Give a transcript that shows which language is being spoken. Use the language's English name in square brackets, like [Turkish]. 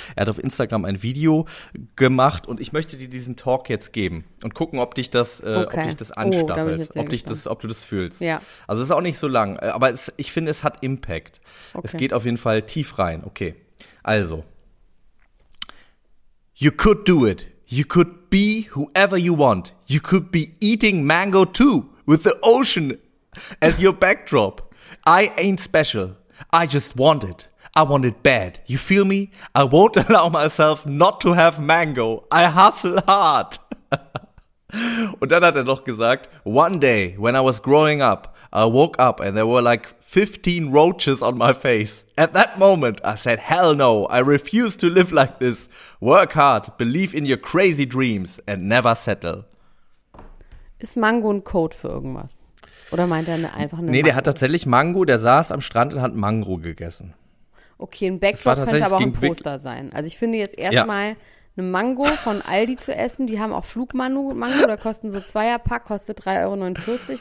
[German] Er hat auf Instagram ein Video gemacht und ich möchte dir diesen Talk jetzt geben und gucken, ob dich das, okay. ob dich das anstachelt, oh, ob dich das, ob du das fühlst. Ja. Also es ist auch nicht so lang, aber ich finde, es hat Impact. Okay. Es geht auf jeden Fall tief rein. Okay. Also. [English] You could do it. You could be whoever you want. You could be eating mango too with the ocean as your backdrop. I ain't special. I just want it. I want it bad. You feel me? I won't allow myself not to have mango. I hustle hard. [German] Und dann hat er noch gesagt, [English] one day when I was growing up, I woke up and there were like 15 roaches on my face. At that moment, I said, hell no, I refuse to live like this. Work hard, believe in your crazy dreams and never settle. [German] Ist Mango ein Code für irgendwas? Oder meint er einfach eine Nee, Mango? Der hat tatsächlich Mango, der saß am Strand und hat Mango gegessen. Okay, ein Backdrop könnte aber auch ein Poster sein. Also ich finde jetzt erstmal eine Mango von Aldi zu essen, die haben auch Flugmango, da kosten so 2er-Pack, kostet 3,49 €.